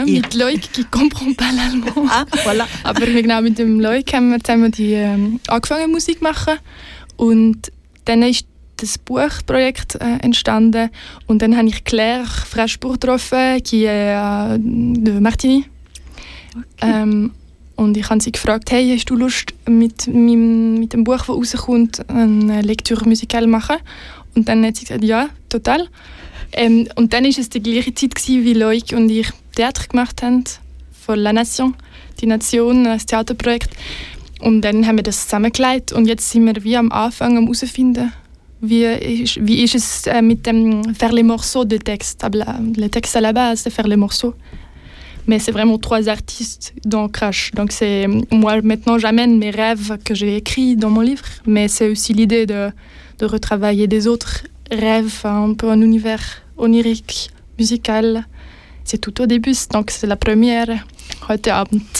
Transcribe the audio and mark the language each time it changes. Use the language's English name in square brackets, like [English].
[French] Genau, mit Leuk, qui comprend pas l'allemand. Ah, voilà. [German] Aber genau mit dem Leuk haben wir die angefangen Musik machen und dann ist das Buchprojekt entstanden und dann habe ich Claire Fraschbourg getroffen, [French] qui est de Martini. [German] Okay. Und ich habe sie gefragt, hey, hast du Lust mit dem Buch, das rauskommt, eine Lektüre musikal machen? Und dann hat sie gesagt, ja, total. Und dann ist es die gleiche Zeit gewesen, wie Loic und ich Theater gemacht haben, von La Nation, die Nation, das Theaterprojekt. Und dann haben wir das zusammengelegt und jetzt sind wir wie am Anfang am herausfinden, wie ist es mit dem [French] «faire les morceaux» de texte, le texte à la base, «faire les morceaux». Mais c'est vraiment trois artistes dans Crash. Donc c'est moi, maintenant, j'amène mes rêves que j'ai écrits dans mon livre, mais c'est aussi l'idée de retravailler des autres rêves, un peu un univers onirique, musical. C'est tout au début, donc c'est la première [German] heute Abend.